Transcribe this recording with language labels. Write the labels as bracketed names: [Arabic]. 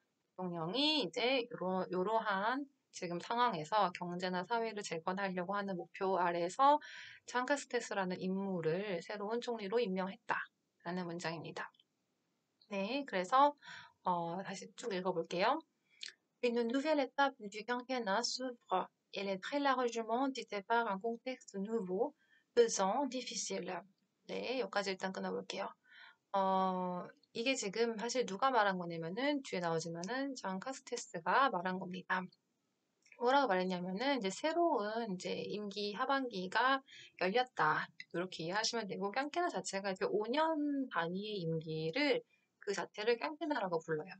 [Korean] 대통령이 이제 이러한 지금 상황에서 경제나 사회를 재건하려고 하는 목표 아래에서 장카스테스라는 인물을 새로운 총리로 임명했다라는 문장입니다. 네, 그래서 다시 쭉 읽어볼게요. [French] Une nouvelle étape du quinquennat s'ouvre et elle est très largement dictée par un contexte nouveau, pesant, difficile. [Korean] 네, 여기까지 일단 끊어볼게요. 이게 지금 사실 누가 말한 거냐면은 뒤에 나오지만은 장 카스테스가 말한 겁니다. 뭐라고 말했냐면은 이제 새로운 이제 임기 하반기가 열렸다. 이렇게 이해하시면 되고 깡케나 자체가 이제 5년 단위의 임기를 그 자체를 깡케나라고 불러요.